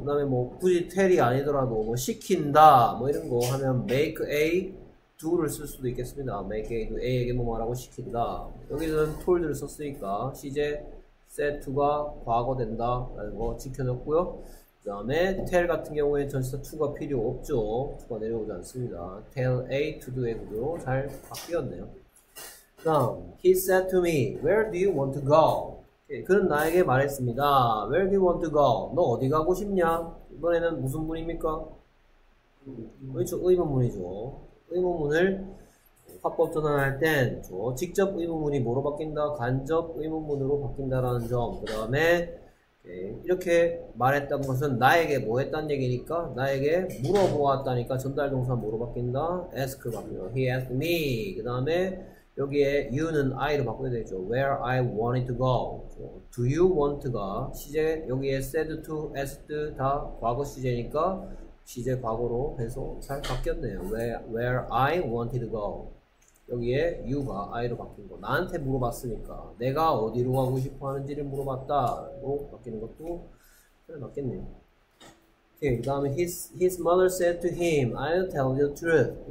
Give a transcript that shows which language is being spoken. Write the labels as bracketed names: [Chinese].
[Korean] 그다음에 뭐 굳이 tell이 아니더라도 뭐 시킨다 뭐 이런 거 하면 make A do를 쓸 수도 있겠습니다. make A도 A에게 뭐 말하고 시킨다. 여기는 told를 썼으니까 시제 set2가 과거 된다라는 거 지켜졌고요. 그다음에 tell 같은 경우에 전치사 2가 필요 없죠. 2가 내려오지 않습니다. tell A to do의 구조로 잘 바뀌었네요. 그다음 [English] he said to me, where do you want to go? [Korean] 예, 그는 나에게 말했습니다. [English] where do you want to go? [Korean] 너 어디 가고 싶냐? 이번에는 무슨 문입니까? 그렇죠, 의문문이죠. 의문문을 화법 전환할 땐 직접 의문문이 뭐로 바뀐다? 간접 의문문으로 바뀐다라는 점. 그 다음에 이렇게 말했던 것은 나에게 뭐 했단 얘기니까 나에게 물어보았다니까 전달 동사 뭐로 바뀐다? ask 바뀌어. [English] He asked me. [Korean] 그 다음에 여기에 you는 I로 바꾸게 되죠. [English] Where I wanted to go. Do you want가 시제 여기에 said to, asked [Korean] 다 과거 시제니까. 시제 과거로 해서 잘 바뀌었네요. [English] Where I wanted to go. [Korean] 여기에 you가 I로 바뀐 거. 나한테 물어봤으니까. 내가 어디로 가고 싶어 하는지를 물어봤다. 로 바뀌는 것도 잘 바뀌었네요. 오케이. 그 다음에 [English] his mother said to him, I'll tell you the truth.